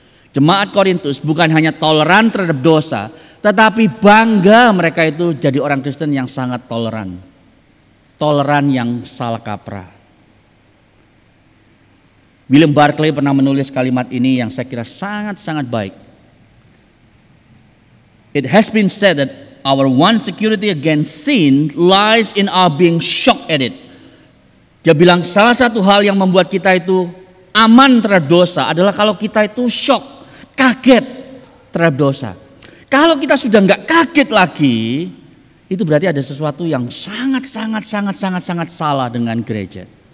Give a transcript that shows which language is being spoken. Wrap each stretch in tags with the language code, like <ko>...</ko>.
<id>Jemaat Korintus bukan hanya toleran terhadap dosa, tetapi bangga mereka itu jadi orang Kristen yang sangat toleran. Toleran yang salah kaprah. William Barclay pernah menulis kalimat ini yang saya kira sangat-sangat baik.</id> <en>It has been said that our one security against sin lies in our being shocked at it.</en> <id>Dia bilang salah satu hal yang membuat kita itu aman terhadap dosa adalah kalau kita itu shock, kaget terhadap dosa. Kalau kita sudah enggak kaget lagi, itu berarti ada sesuatu yang sangat-sangat-sangat-sangat-sangat salah dengan gereja.</id>